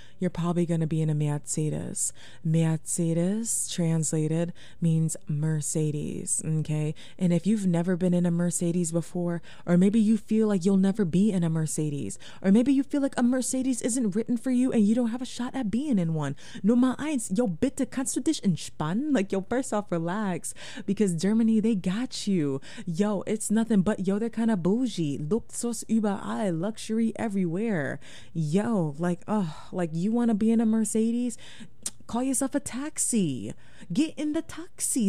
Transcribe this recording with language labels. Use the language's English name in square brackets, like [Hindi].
[English] You're probably going to be in a Mercedes. Mercedes, translated, means Mercedes, okay? And if you've never been in a Mercedes before, or maybe you feel like you'll never be in a Mercedes, or maybe you feel like a Mercedes isn't written for you and you don't have a shot at being in one. [German] Nummer eins, yo, bitte, kannst du dich entspannen? [English] Like, yo, first off, relax, because Germany, they got you. Yo, it's nothing but, yo, they're kind of bougie. [German] Luxus überall, [English] luxury everywhere. Yo, like, oh, like, you want to be in a Mercedes? Call yourself a taxi. Get in the taxi.